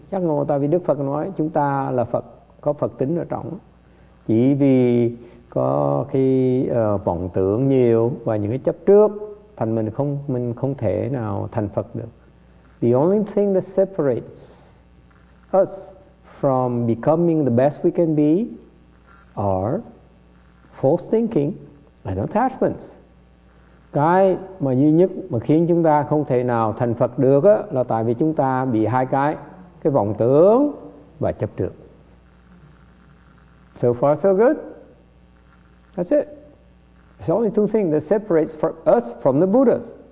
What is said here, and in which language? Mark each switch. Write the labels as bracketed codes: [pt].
[vi] Giác ngộ tại vì Đức Phật nói chúng ta là Phật, có Phật tính ở trong. Chỉ vì có khi vọng tưởng nhiều và những cái chấp trước thành mình không thể nào thành Phật được. [en] The only thing that separates us from becoming the best we can be are false thinking and attachments. [vi] Cái mà duy nhất mà khiến chúng ta không thể nào thành Phật được á, là tại vì chúng ta bị hai cái vọng tưởng và chấp trước. [en] So far so good. That's it. It's only two things that separates us from the Buddhas.